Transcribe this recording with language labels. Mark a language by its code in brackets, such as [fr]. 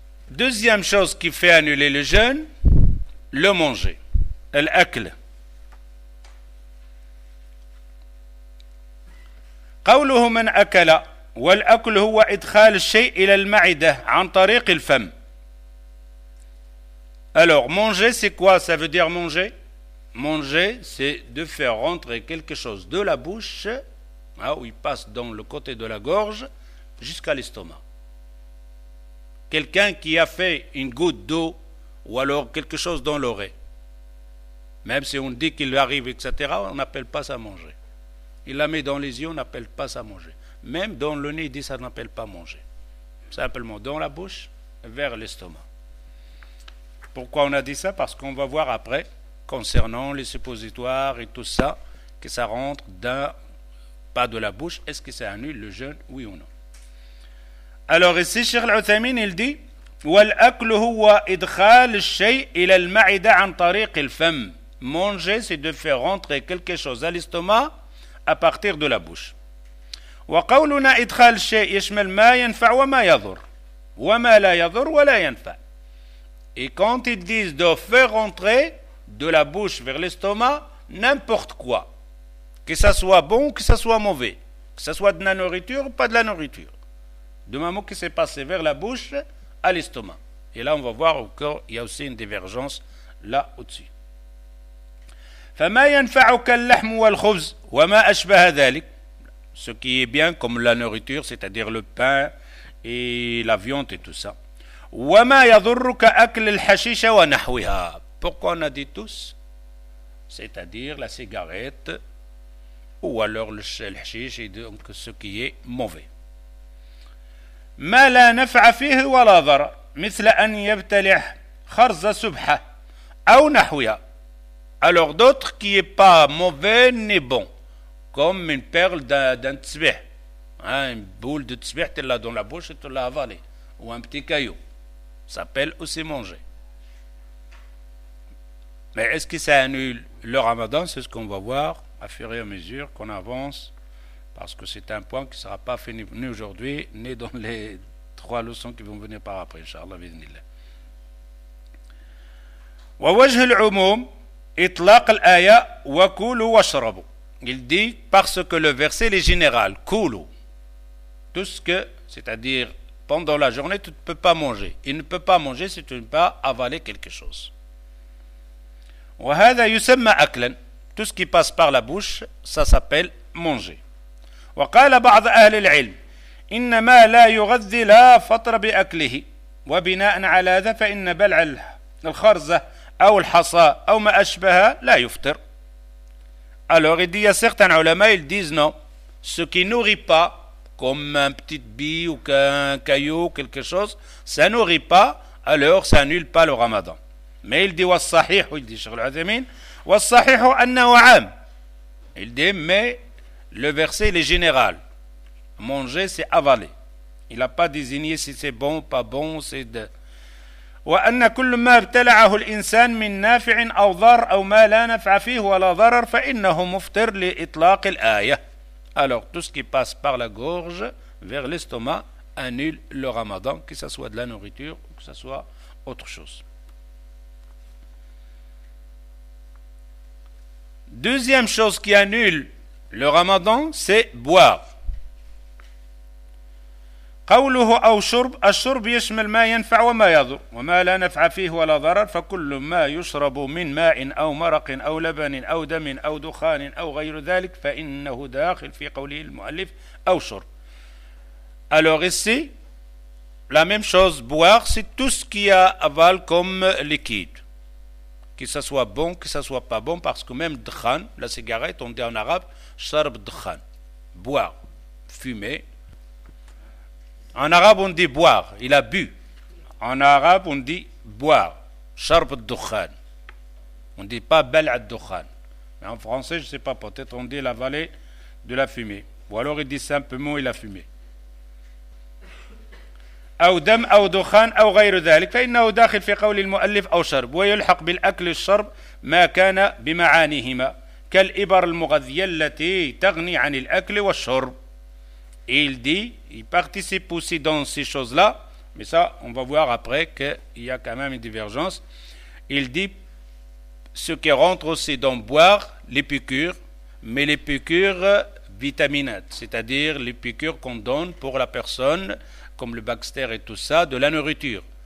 [fr] Deuxième chose qui fait annuler le jeûne, le manger, l'akl. [ar] قوله من أكل والأكل هو إدخال الشيء إلى المعدة عن طريق الفم. [fr] Alors manger c'est quoi? Ça veut dire manger. Manger c'est de faire rentrer quelque chose de la bouche, hein, où il passe dans le côté de la gorge jusqu'à l'estomac. Quelqu'un qui a fait une goutte d'eau ou alors quelque chose dans l'oreille, même si on dit qu'il arrive etc., on n'appelle pas ça manger. Il la met dans les yeux, on n'appelle pas ça manger. Même dans le nez, il dit ça n'appelle pas manger. Simplement dans la bouche, vers l'estomac. Pourquoi on a dit ça? Parce qu'on va voir après, concernant les suppositoires et tout ça, que ça rentre d'un pas de la bouche. Est-ce que ça annule le jeûne? Oui ou non? Alors ici, Cheikh Al-Uthaymin, il dit « [ar] وَالْأَكْلُ هُوَ إِدْخَالُ الشَّيْءِ إِلَى الْمَعِدَ عَنْ طَرِيقِ الْفَمِ [fr] » Manger, c'est de faire rentrer quelque chose à l'estomac à partir de la bouche. [ar] وقولنا ادخال شيء يشمل ما ينفع وما يضر وما لا يضر ولا ينفع. [fr] Et quand ils disent de faire entrer de la bouche vers l'estomac n'importe quoi, que ça soit bon ou que ça soit mauvais, que ça soit de la nourriture ou pas de la nourriture, du moment que c'est passé vers la bouche à l'estomac. Et là on va voir qu'il y a aussi une divergence là au-dessus. [ar] فما ينفعك اللحم والخبز وما أشبه ذلك. [fr] Ce qui est bien comme la nourriture, c'est-à-dire le pain et la viande et tout ça. [ar] وما يضرك أكل الحشيش ونحوها. [fr] Pourquoi on a dit tous, c'est-à-dire la cigarette ou alors le hashish et donc ce qui est mauvais. [ar] ما لا نفع فيه ولا ضر مثل أن يبتلع خرز سبحة أو نحوها. [fr] Alors d'autres qui n'est pas mauvais ni bon, comme une perle d'un tzbih, hein, une boule de tzbih, tu l'as dans la bouche et tu l'as avalée, ou un petit caillou, ça s'appelle aussi manger. Mais est-ce que ça annule le ramadan? C'est ce qu'on va voir à fur et à mesure qu'on avance, parce que c'est un point qui ne sera pas fini ni aujourd'hui, ni dans les trois leçons qui vont venir par après, Inch'Allah, biznillah. [ar] Wa wajh al-umum إطلاق الآية وكلوا واشربوا. [fr] Il dit parce que le verset est général. كلوا, tout ce que, c'est-à-dire pendant la journée, tu ne peux pas manger. Il ne peut pas manger si tu ne peux pas avaler quelque chose. [ar] وهذا يسمى أكلا. [fr] Tout ce qui passe par la bouche, ça s'appelle manger. [ar] وقال بعض أهل العلم إنما لا يغذي لا فطر بأكله وبناء على ذا فإن بلع الخرزة أو الحصى أو ما أشبه لا يفطر. [fr] Alors il dit, il y a certains ulama, ils disent non, ce qui nourrit pas, comme un petit bille ou qu'un caillou ou quelque chose, ça nourrit pas, alors ça annule pas le ramadan. Mais il dit [ar] والصحيح, [fr] il dit Cheikh Al-Uthaymin, [ar] والصحيح أنه عام. [fr] Il dit mais le verset il est général. Manger c'est avaler. Il a pas désigné si c'est bon ou pas bon, c'est de [ar] وأن كل ما ابتلعه الإنسان من نافع أو ضار أو ما لا نفع فيه ولا ضرر فإنه مفطر لإطلاق الآية. [fr] Alors tout ce qui passe par la gorge vers l'estomac annule le ramadan, que ce soit de la nourriture ou que ce soit autre chose. Deuxième chose qui annule le ramadan, c'est boire. [ar] قوله أو شرب الشرب يشمل ما ينفع وما يضر وما لا نفع فيه ولا ضرر فكل ما يشرب من ماء أو مرق أو لبن أو دم أو دخان أو غير ذلك فإنه داخل في قوله المؤلف أو شرب. [fr] Alors ici la même chose, boire c'est tout ce qui avale comme liquide, que ça soit bon que ça soit pas bon, parce que même dkhan, la cigarette, on dit en arabe [ar] sharb dkhan, [fr] boire, fumer. En arabe, on dit boire. Il a bu. En arabe, on dit boire. [ar] Sharb al-dukhan. [fr] On ne dit pas [ar] bal al-dukhan. [fr] Mais en français, je ne sais pas. Peut-être on dit l'avaler de la fumée. Ou alors, il dit simplement, il a fumé. [ar] أو دم أو دخان أو غير ذلك، فإنه داخل في قول المؤلف أو شرب، ويلحق بالأكل الشرب ما كان بمعانيهما كالإبر المغذية التي تغني عن الأكل والشرب. [fr] Il dit, il participe aussi dans ces choses-là, mais ça, on va voir après qu'il y a quand même une divergence. Il dit, ce qui rentre aussi dans boire, les piqûres, mais les piqûres vitaminates, c'est-à-dire les piqûres qu'on donne pour la personne, comme le Baxter et tout ça, de la nourriture.